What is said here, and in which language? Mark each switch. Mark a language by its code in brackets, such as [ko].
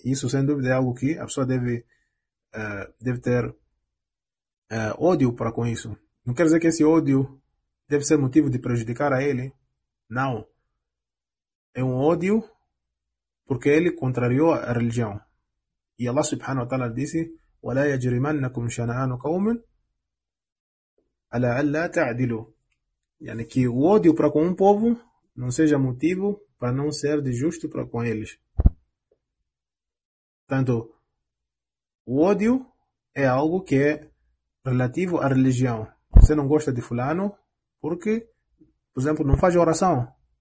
[pt] Isso, sem dúvida, é algo que a pessoa deve ter ódio para com isso. Não quer dizer que esse ódio deve ser motivo de prejudicar a ele. Não. É um ódio porque ele contrariou a religião. E Allah subhanahu wa ta'ala disse: [ar] وَلَا يَجْرِمَنَّكُمْ شَنَعَانُ قَوْمٍ عَلَىٰ أَلَّا تَعْدِلُوا. [pt] Que o ódio para com um povo não seja motivo para não ser de justo para com eles. Portanto, o ódio é algo que é relativo à religião. Você não gosta de fulano porque, por exemplo, não faz oração.